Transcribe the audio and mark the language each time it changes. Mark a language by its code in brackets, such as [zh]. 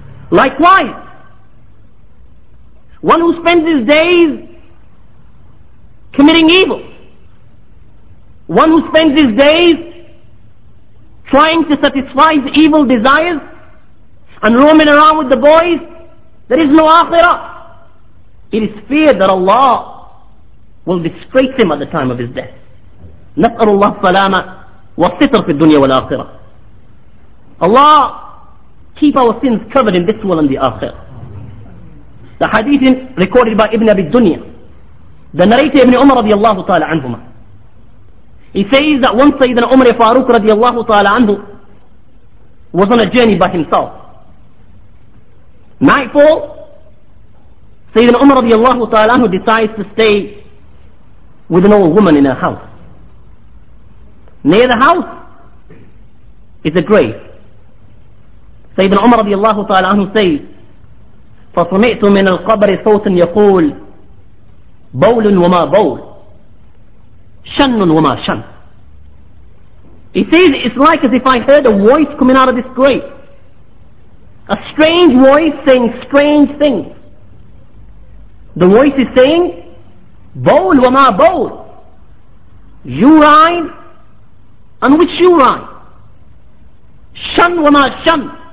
[en] Likewise, one who spends his days committing evil, one who spends his days trying to satisfy his evil desires and roaming around with the boys, there is no akhirah. It is feared that Allah will disgrace him at the time of his death. [ar] نسأل الله السلامة والستر في الدنيا والآخرة. [en] Allah, keep our sins covered in this world and the akhirah. The hadith recorded by Ibn Abi Dunya, the narrator Ibn Umar radiallahu ta'ala anhuma, he says that once Sayyidina Umar Faruq radiallahu ta'ala anhu was on a journey by himself. Nightfall, Sayyidina Umar radiallahu ta'ala anhu decides to stay with an old woman in her house. Near the house is a grave. Sayyidina Umar radiallahu ta'ala anhu says, [ar] فَصَمِئْتُ مِنَ الْقَبْرِ صَوْتٍ يَقُولُ بَوْلٌ وَمَا بَوْلٌ شَنٌ وَمَا شَنٌ. [en] He says, it's like as if I heard a voice coming out of this grave. A strange voice saying strange things. The voice is saying, [ar] Bowl wa ma bowl. [en] Urine and which urine? [ar] Shun wa ma shun.